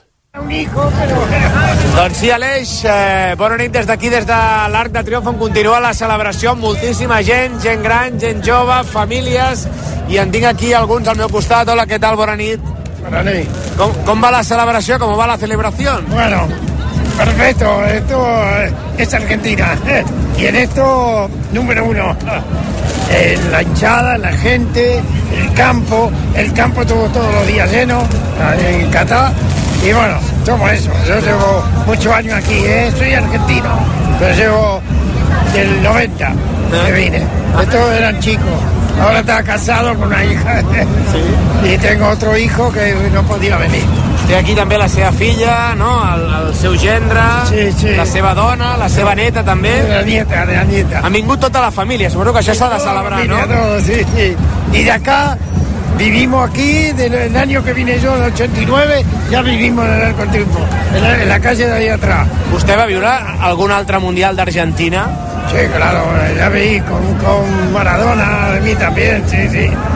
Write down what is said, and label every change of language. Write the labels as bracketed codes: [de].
[ca] Doncs sí, Aleix, bona nit des d'aquí, des de l'Arc de Triomf, on continua la celebració amb moltíssima gent gran, gent jove, famílies, i en tinc aquí alguns al meu costat. Hola, què tal, bona nit. Bona nit. Com va la celebració, com va la celebració? [es] Bueno, perfecto, esto es Argentina, y en esto, número uno, en la hinchada, en la gente, el campo tuvo todos los días lleno, en Qatar. Y bueno, tomo eso. Yo llevo muchos años aquí, ¿eh? Soy argentino, pero llevo del 90 que vine. Estos eran chicos. Ahora está casado con una hija. Sí. Y tengo otro hijo que no podía venir. [ca] Té aquí també la seva filla, no? El seu gendre, sí. La seva dona, la seva neta també. [es] La nieta. [ca] Ha vingut tota la família, suposo que això s'ha de celebrar, no? [es] Sí. Y de acá... Vivimos aquí, del año que vine yo, del 89, ya vivimos en el Arco Triunfo, en la calle de ahí atrás. ¿Usted va a vivir algún otro Mundial de Argentina? Sí, claro, ya vi con Maradona, de mí también, sí.